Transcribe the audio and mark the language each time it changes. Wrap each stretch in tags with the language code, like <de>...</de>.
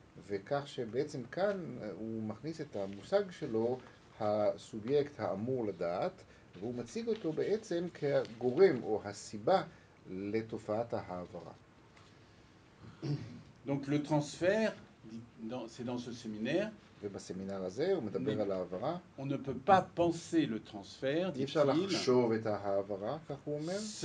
<he>וכך שבעצם כאן הוא מכניס את המושג שלו, הסובייקט האמור לדעת, והוא מציג אותו בעצם כגורם או הסיבה לתופעת ההעברה.</he> <fr>Donc le transfert, c'est dans ce séminaire.</fr> <he>ובסמינר הזה הוא מדבר על ההעברה.</he> <fr>On ne peut pas penser le transfert,</fr> <he>אי אפשר לחשוב את ההעברה, כך הוא אומר.</he>